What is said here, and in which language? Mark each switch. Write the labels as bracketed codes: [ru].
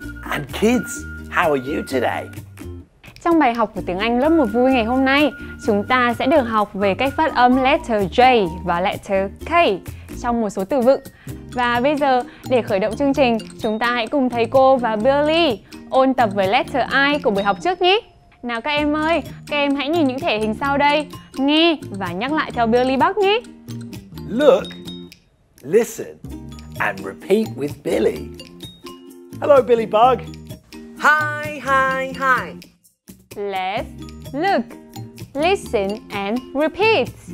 [en] And kids, how are you today? [vi] Trong bài học của tiếng Anh lớp 1 vui ngày hôm nay, chúng ta sẽ được học về cách phát âm letter J và letter K trong một số từ vựng. Và bây giờ, để khởi động chương trình, chúng ta hãy cùng thầy cô và Billy ôn tập với letter I của buổi học trước nhé. Nào các em ơi, các em hãy nhìn những thể hình sau đây, nghe và nhắc lại theo Billy bác nhé. [en] Look, listen, and repeat with Billy. Hello, Billy Bug. Hi, hi, hi. Let's look, listen, and repeat.